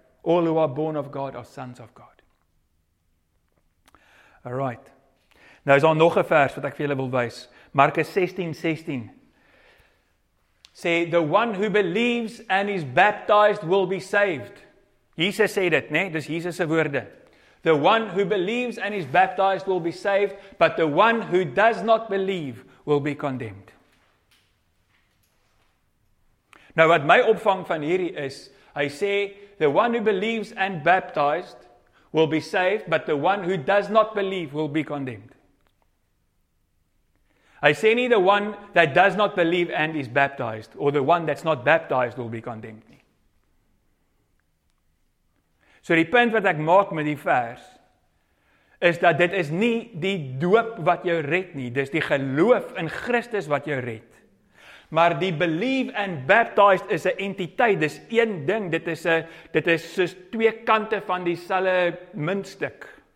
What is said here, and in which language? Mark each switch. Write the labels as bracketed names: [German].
[English] All who are born of God are sons of God. All right. [Afrikaans] Nou is daar nog 'n vers wat ek vir julle wil wys. Markus 16:16 sê, [English] the one who believes and is baptized will be saved. [Afrikaans] Jesus sê dit, nee, dis Jesus se woorde. [English] The one who believes and is baptized will be saved, but the one who does not believe will be condemned. [Afrikaans] Nou wat my opvang van hierdie is, hy sê, [English] the one who believes and baptized will be saved, but the one who does not believe will be condemned. I say nie the one that does not believe and is baptized, or the one that's not baptized will be condemned nie. [Afrikaans] So die punt wat ek maak met die vers, is dat dit is nie die doop wat jou red nie, dis die geloof in Christus wat jou red. Maar die [English] believe and baptized [Afrikaans] is 'n entiteit, dis een ding, dit is soos twee kante van dieselfde muntstuk.